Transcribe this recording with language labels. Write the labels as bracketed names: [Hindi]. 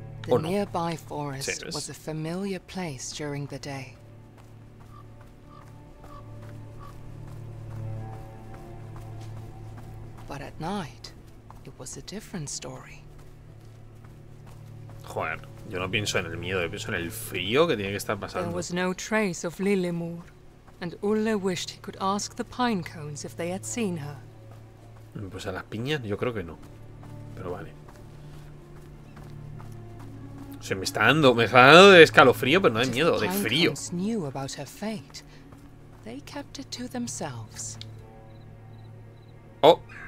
[English] But at night, it was a different story. [Spanish] Joder, yo no pienso en el miedo, yo pienso en el frío que tiene que estar pasando. [English] There was no trace of Lilimur, and Ulle wished he could ask the pine cones if they had seen her. [Spanish] Pues a las piñas, yo creo que no. Pero vale. O sea, me está dando de escalofrío, pero no de miedo, de frío. [English] The pine cones knew about her fate. They kept it to themselves. Oh.